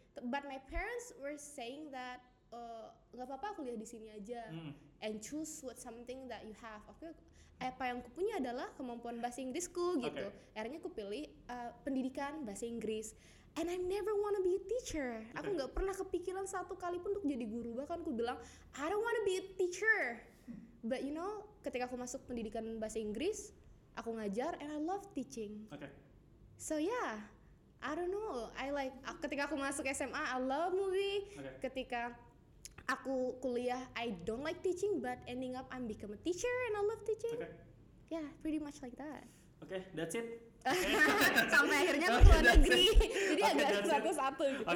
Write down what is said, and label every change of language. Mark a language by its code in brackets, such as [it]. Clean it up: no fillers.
[en] But my parents were saying that [id] nggak apa-apa kuliah di sini aja [en] and choose what something that you have. [id] Apa yang kupunya adalah kemampuan bahasa Inggrisku gitu. Akhirnya aku pilih pendidikan bahasa Inggris. [en] And I never wanna be a teacher. [id] Aku nggak pernah kepikiran satu kali pun untuk jadi guru. Bahkan aku bilang [en] I don't wanna be a teacher. But you know, [id] ketika aku masuk pendidikan bahasa Inggris, aku ngajar [en] and I love teaching. So yeah. I don't know, I like, [id] ketika aku masuk SMA, [en] I love movie. [id] Ketika aku kuliah, [en] I don't like teaching, but ending up, I'm become a teacher and I love teaching. Yeah, pretty much like that. That's it. [id] Sampai akhirnya aku keluar negeri. Jadi agak satu-satu gitu.